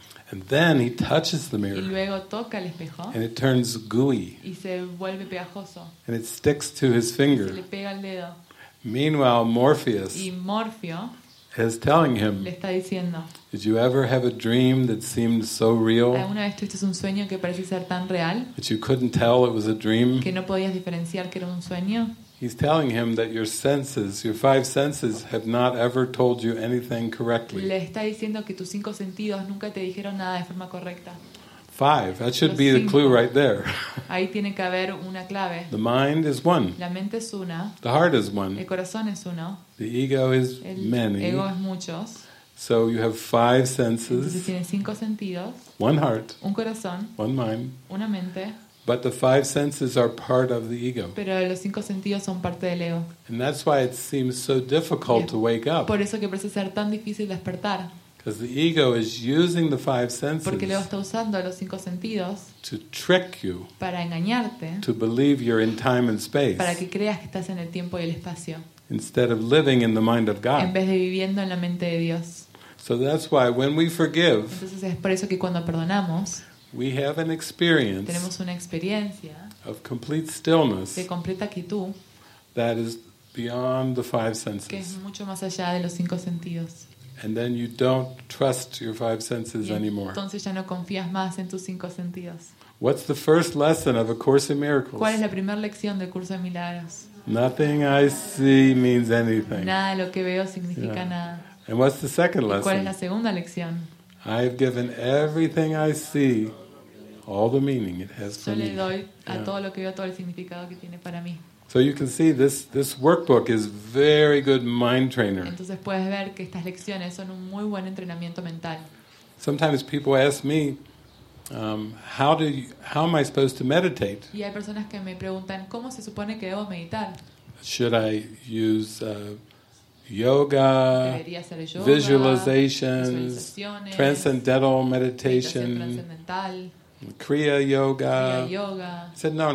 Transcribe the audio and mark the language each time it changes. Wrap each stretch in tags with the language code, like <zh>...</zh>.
<en>And then he touches the mirror.</en> <es>Y luego toca el espejo,</es> <en>and it turns gooey.</en> <es>Y se vuelve pegajoso.</es> <en>And it sticks to his finger.</en> <es>Y se le pega el dedo.</es> <en>Meanwhile, Morpheus.</en> <es>Y Morfeo.</es> <en>Is telling him.</en> <es>Le está diciendo,</es> <en>did you ever have a dream that seemed so real?</en> <es>¿Alguna vez tuviste un sueño que parecía ser tan real?</es> <en>That you couldn't tell it was a dream.</en> <es>Que no podías diferenciar que era un sueño.</es> <en>He's telling him that your senses, your five senses, have not ever told you anything correctly.</en> <es>Le está diciendo que tus cinco sentidos nunca te dijeron nada de forma correcta.</es> <en>Five. That should be the clue right there.</en> <es>Ahí tiene que haber una clave.</es> <en>The mind is one.</en> <es>La mente es una.</es> <en>The heart is one.</en> <es>El corazón es uno.</es> <en>The ego is many.</en> <es>Ego es muchos.</es> <en>So you have five senses.</en> <es>Entonces tienes cinco sentidos.</es> <en>One heart.</en> <es>Un corazón.</es> <en>One mind.</en> <es>Una mente.</es> <en>But the five senses are part of the ego.</en> <es>Pero los cinco sentidos son parte del ego.</es> <en>And that's why it seems so difficult to wake up.</en> <es>Por eso que parece ser tan difícil despertar.</es> <en>Because the ego is using the five senses.</en> <es>Porque el ego está usando los cinco sentidos.</es> <en>To trick you.</en> <es>Para engañarte.</es> <en>To believe you're in time and space.</en> <es>Para que creas que estás en el tiempo y el espacio.</es> <en>Instead of living in the mind of God.</en> <es>En vez de viviendo en la mente de Dios.</es> <en>So that's why when we forgive.</en> <es>Entonces es por eso que cuando perdonamos.</es> <en>We have an experience.</en> <es>Tenemos una experiencia.</es> <en>Of complete stillness.</en> <es>De completa quietud.</es> <en>That is beyond the five senses.</en> <es>Que es mucho más allá de los cinco sentidos.</es> <en>And then you don't trust your five senses anymore.</en> <es>Entonces ya no confías más en tus cinco sentidos.</es> <en>What's the first lesson of A Course in Miracles?</en> <es>¿Cuál es la primera lección del curso de milagros?</es> <en>Nothing I see means anything.</en> <es>Nada, lo que veo significa nada.</es> <en>And what's the second lesson?</en> <es>¿Cuál es la segunda lección?</es> <en>I have given everything I see all the meaning it has for me.</en> <es>Yo le doy a todo lo que veo todo el significado que tiene para mí.</es> <en>So you can see this workbook is very good mind trainer.</en> <es>Entonces puedes ver que estas lecciones son un muy buen entrenamiento mental.</es> <en>Sometimes people ask me, how am I supposed to meditate?</en> <es>Y hay personas que me preguntan cómo se supone que debo meditar.</es> <en>Should I use yoga, visualizations, transcendental meditation, kriya yoga? I said no.</en>